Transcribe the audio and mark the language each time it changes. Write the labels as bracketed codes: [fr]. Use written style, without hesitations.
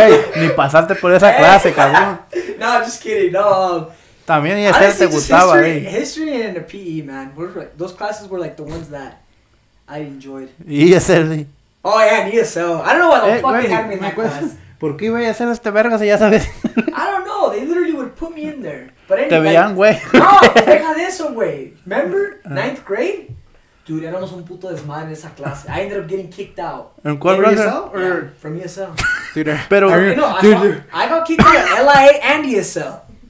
[es] Güey, ni pasaste por esa clase, cabrón. [en] No, I'm just kidding. No. [es] También y ese te gustaba, güey. [en] History and the PE, man. Those classes were like the ones that I enjoyed. [es] Y ese. [en] Oh, yeah, and ESL. I don't know why the fuck they had me in that class. [es] ¿Por qué iba a hacer este verga si ya sabes? [en] I don't know. They literally would put me in there. But anyway. [es] Te veían, güey. No, deja de eso, güey. [en] Remember? Ninth grade? Dude, [es] éramos un puto desmadre en esa clase. [en] I ended up getting kicked out. [es] ¿En cuál, bro? [en] ESL? Or yeah, from ESL. [es] Dude, pero, [en] you know, dude. I got kicked out of LIA and ESL.